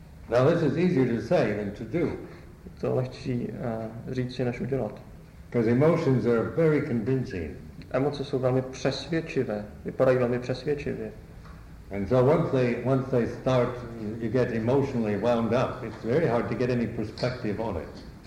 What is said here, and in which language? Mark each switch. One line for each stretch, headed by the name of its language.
English: Now this is easier to say than to do.
Czech: Je to lehčí říct si, než udělat.
English: Because emotions are very convincing.
Czech: Emoce jsou velmi přesvědčivé, vypadají velmi přesvědčivě.
English: And so once they start, you get emotionally wound up, it's very hard to get any perspective on it.